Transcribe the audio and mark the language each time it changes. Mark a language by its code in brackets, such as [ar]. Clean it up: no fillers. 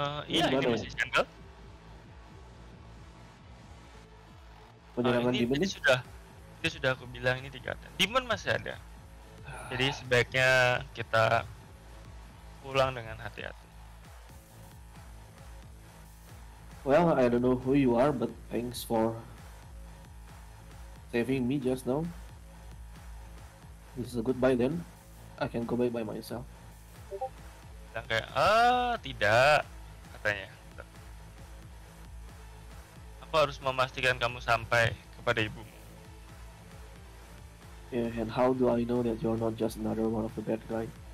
[id] Iya, ini masih channel. Penyerangan demon ini sudah aku bilang ini di garden. Demon masih ada. Jadi sebaiknya kita pulang dengan hati-hati. [en] Well, I don't know who you are, but thanks for saving me just now. This is a goodbye then. I can go back by myself. [id] Dan kayak, ah tidak, katanya. Aku harus memastikan kamu sampai pada ibumu. [en] Yeah, and how do I know that you're not just another one of the bad guys?